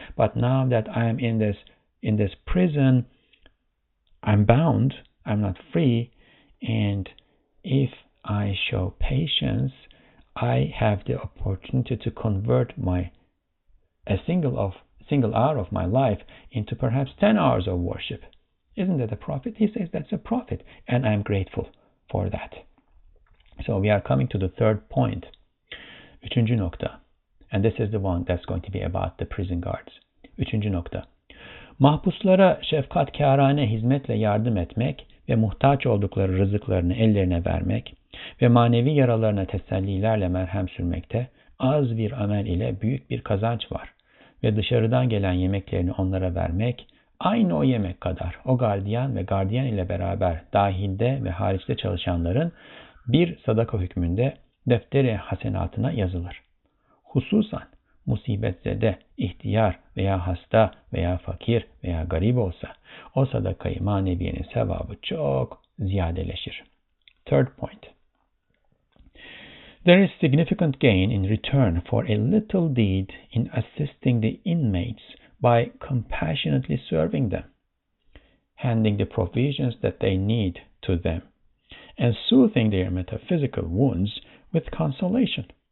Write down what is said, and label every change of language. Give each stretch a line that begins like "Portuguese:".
English: But now that I am in this prison, I'm bound, I'm not free, and if I show patience, I have the opportunity to convert a single hour of my life into perhaps 10 hours of worship. Isn't that a profit? He says that's a profit, and I'm grateful for that. So we are coming to the third point,
Turkish: üçüncü nokta,
English: and this is the one that's going to be about the prison guards.
Turkish: Üçüncü nokta, mahpuslara şefkatkârâne hizmetle yardım etmek ve muhtaç oldukları rızıklarını ellerine vermek ve manevi yaralarına tesellilerle merhem sürmekte az bir amel ile büyük bir kazanç var. Ve dışarıdan gelen yemeklerini onlara vermek aynı o yemek kadar o gardiyan ve gardiyan ile beraber dahilde ve hariçte çalışanların bir sadaka hükmünde defteri hasenatına yazılır. Hususan musibetse de ihtiyar veya hasta veya fakir veya garip olsa o sadakayı maneviyenin sevabı çok ziyadeleşir.
English: Third point. There is significant gain in return for a little deed in assisting the inmates by compassionately serving them, handing the provisions that they need to them, and soothing their metaphysical wounds with consolation.